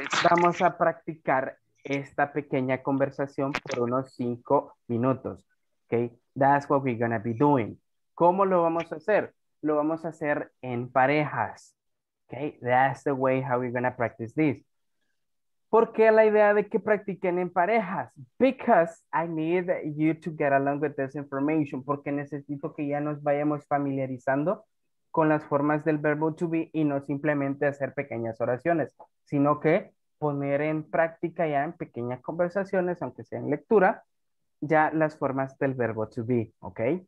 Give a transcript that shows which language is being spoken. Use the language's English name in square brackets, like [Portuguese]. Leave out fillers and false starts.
[Spanish] Vamos a practicar esta pequeña conversación por unos 5 minutos. [English] Ok, that's what we're going to be doing. [Spanish] ¿Cómo lo vamos a hacer? Lo vamos a hacer en parejas. [English] Ok, that's the way how we're going to practice this. [Spanish] ¿Por qué la idea de que practiquen en parejas? [English] Because I need you to get along with this information. [Spanish] Porque necesito que ya nos vayamos familiarizando con las formas del verbo to be y no simplemente hacer pequeñas oraciones, sino que poner en práctica ya en pequeñas conversaciones, aunque sea en lectura, ya las formas del verbo to be, ¿ok?